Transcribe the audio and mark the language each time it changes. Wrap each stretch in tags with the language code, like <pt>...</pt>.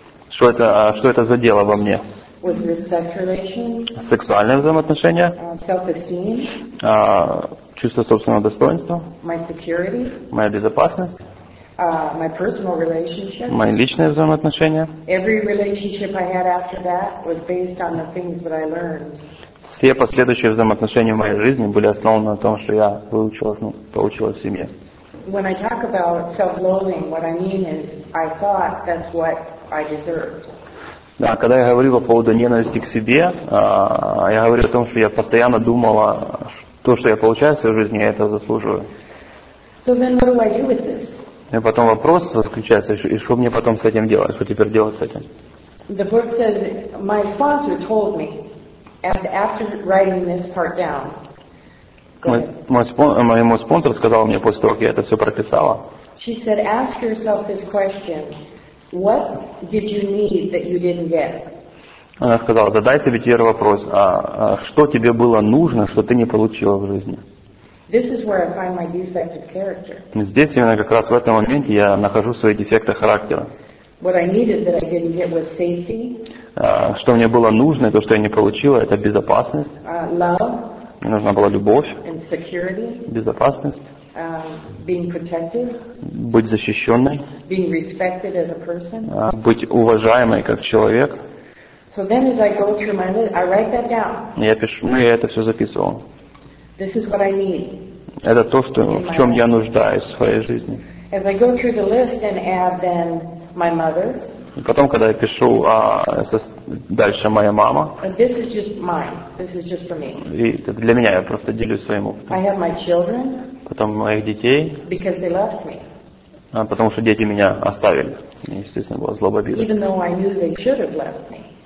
<ru>Что это задело во мне?</ru> <en>Was it sex relations?</en> <ru>Сексуальные взаимоотношения?</ru> <en>Self-esteem?</en> <ru>Чувство собственного достоинства?</ru> <en>My security?</en> <ru>Моя безопасность?</ru> <en>My personal relationship.</en> <ru>Мои личные взаимоотношения.</ru> <en>Every relationship I had after that was based on the things that I learned.</en> <ru>Все последующие взаимоотношения в моей жизни были основаны на том, что я выучилась, ну, получила в семье.</ru> <en>When I talk about self-loathing, what I mean is I thought that's what I deserved.</en> <ru>Да, когда я говорю по поводу ненависти к себе, я говорю о том, что я постоянно думала, то, что я получаю в своей жизни, я это заслуживаю.</ru> <en>So then what do I do with this?</en> <ru>И потом вопрос заключается, и что мне потом с этим делать, что теперь делать с этим?</ru> <en>The book says, my sponsor told me, after writing this part down.</en> <ru>Моему спонсору сказал мне после того, как я это все прописала.</ru> <en>She said, ask yourself this question, what did you need that you didn't get?</en> <ru>Она сказала, задай себе теперь вопрос, а что тебе было нужно, что ты не получила в жизни?</ru> <en>This is where I find my defective character.</en> <ru>Здесь именно как раз в этом моменте я нахожу свои дефекты характера.</ru> <en>What I needed that I didn't get was safety.</en> <ru>Что мне было нужно, то, что я не получила, это безопасность.</ru> <en>Love.</en> <ru>Мне нужна была любовь.</ru> <en>And security.</en> <ru>Безопасность.</ru> <en>Being protected.</en> <ru>Быть защищенной.</ru> <en>Being respected as a person.</en> <ru>Быть уважаемой как человек.</ru> <en>So then as I go through my list, I write that down.</en> <ru>Я пишу, ну я это все записывал.</ru> <en>This is what I need.</en> <ru>Это то, что, в чем я нуждаюсь в своей жизни.</ru> <en>As I go through the list and add then my mother.</en> <ru>Потом, когда я пишу дальше моя мама.</ru> <en>This is just mine. This is just for me.</en> <ru>И это для меня, я просто делюсь своим опытом.</ru> <en>I have my children.</en> <ru>Потом моих детей.</ru> <en>Because they left me.</en> <ru>Потому что дети меня оставили. Естественно, была злоба, обида.</ru> <en>Even though I knew they should have left me.</en>